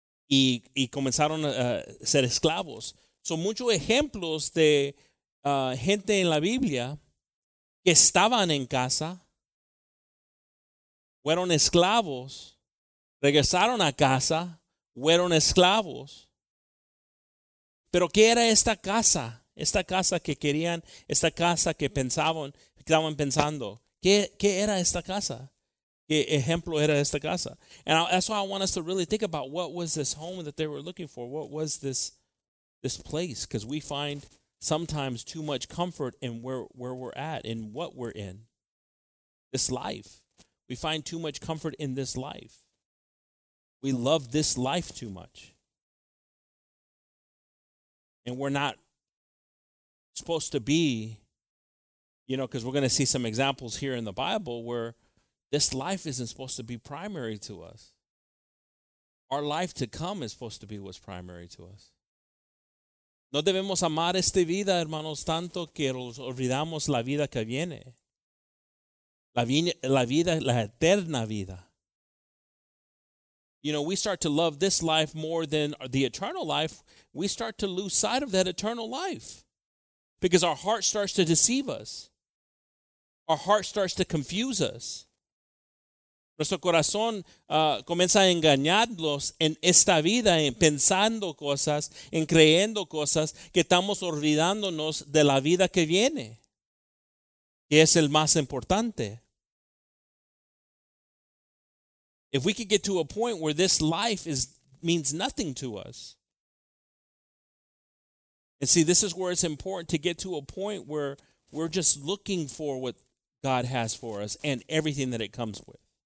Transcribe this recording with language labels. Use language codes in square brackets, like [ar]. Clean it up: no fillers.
[es] Y comenzaron a ser esclavos. Son muchos ejemplos de gente en la Biblia que estaban en casa, fueron esclavos, regresaron a casa, fueron esclavos. Pero ¿qué era esta casa? Esta casa que querían, esta casa que pensaban, que estaban pensando. ¿Qué era esta casa? ¿Qué ejemplo era esta casa? [en] And that's why I want us to really think about what was this home that they were looking for? What was this place? Because we find sometimes too much comfort in where we're at, in what we're in. This life. We find too much comfort in this life. We love this life too much. And we're not supposed to be, you know, because we're going to see some examples here in the Bible where this life isn't supposed to be primary to us. Our life to come is supposed to be what's primary to us. [es] No debemos amar esta vida, hermanos, tanto que olvidamos la vida que viene. La eterna vida. [en] You know, we start to love this life more than the eternal life. We start to lose sight of that eternal life because our heart starts to deceive us. Our heart starts to confuse us. [es] Nuestro corazón comienza a engañarlos en esta vida, en pensando cosas, en creyendo cosas, que estamos olvidándonos de la vida que viene, que es el más importante. [en] If we could get to a point where this life means nothing to us. And see, this is where it's important to get to a point where we're just looking for what God has for us and everything that it comes with.